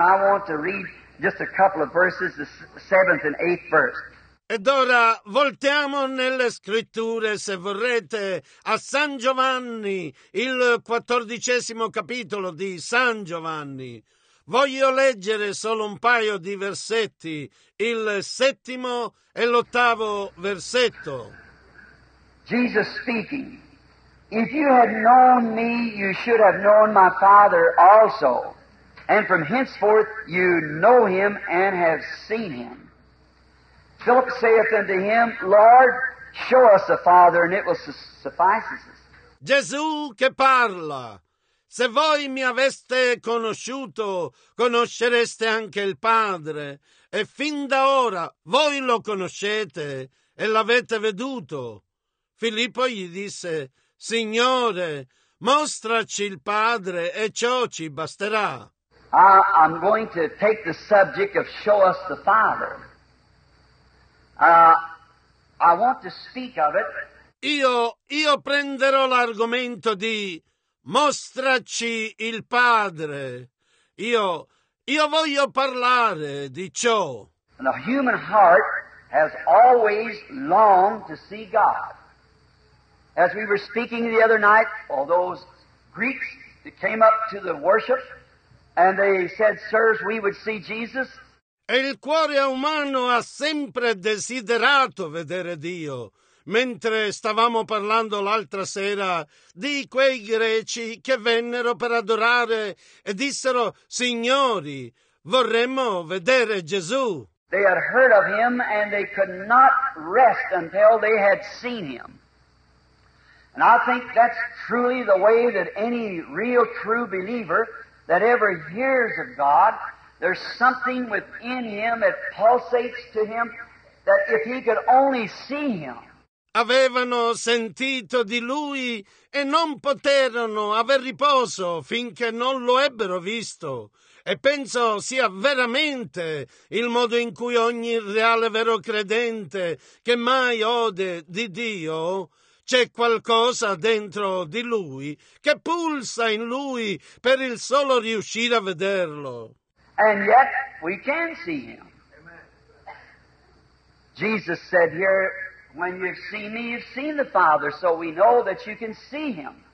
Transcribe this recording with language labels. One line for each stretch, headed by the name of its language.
English: I want to read just a couple of verses, the 7th and 8th verse.
Italian: Ed ora voltiamo nelle scritture, se vorrete, a San Giovanni, il 14° capitolo di San Giovanni. Voglio leggere solo un paio di versetti, il 7° e l'8° versetto.
English: Jesus speaking, if you had known me, you should have known my Father also. And from henceforth you know him and have seen him. Philip saith unto him, Lord, show us the Father, and it will suffice us.
Italian: Gesù che parla, se voi mi aveste conosciuto, conoscereste anche il Padre, e fin da ora voi lo conoscete e l'avete veduto. Filippo gli disse, Signore, mostraci il Padre e ciò ci basterà.
English: I'm going to take the subject of show us the Father. I want to speak of it.
Italian: Io prenderò l'argomento di mostraci il Padre. Io voglio parlare di ciò.
English: And a human heart has always longed to see God. As we were speaking the other night, all those Greeks that came up to the worship, and they said, sirs, we would see Jesus.
Italian: E il cuore umano ha sempre desiderato vedere Dio. Mentre stavamo parlando l'altra sera di quei greci che vennero per adorare e dissero, signori, vorremmo vedere Gesù.
English: They had heard of him and they could not rest until they had seen him. And I think that's truly the way that any real true believer that ever hears of God, there's something within him that pulsates to him, that if he could only see him.
Italian: avevano sentito di lui e non poterono aver riposo finché non lo ebbero visto. E penso sia veramente il modo in cui ogni reale vero credente che mai ode di Dio, c'è qualcosa dentro di lui che pulsa in lui per il solo riuscire a vederlo.
English: And yet we can see him. Jesus said here, when you've seen me, you've seen the Father, so we know that you can see him.